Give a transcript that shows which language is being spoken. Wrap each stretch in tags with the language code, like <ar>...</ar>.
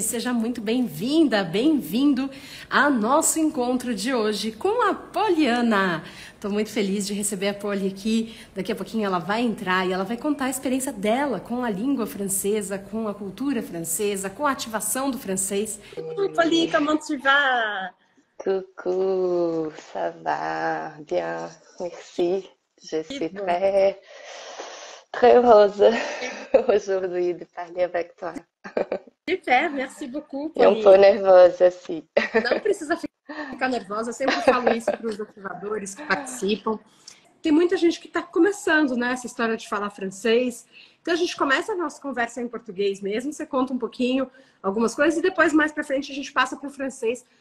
<pt>Seja muito bem-vinda, bem-vindo a nosso encontro de hoje com a Poliana. Estou muito feliz de receber a Poli aqui. Daqui a pouquinho ela vai entrar e ela vai contar a experiência dela com a língua francesa, com a cultura francesa, com a ativação do francês.</pt> <fr>Poli, comment tu vas? Coucou, ça va, bien, merci, je suis très heureuse aujourd'hui de parler avec toi. Super, merci beaucoup. Et un peu</fr> <pt>nervosa, sim. Não precisa ficar nervosa, eu sempre falo isso para os observadores que participam. Tem muita gente que está começando, né, essa história de falar francês. Então a gente começa a nossa conversa em português mesmo, você conta um pouquinho algumas coisas e depois mais para frente a gente passa para o francês.</pt>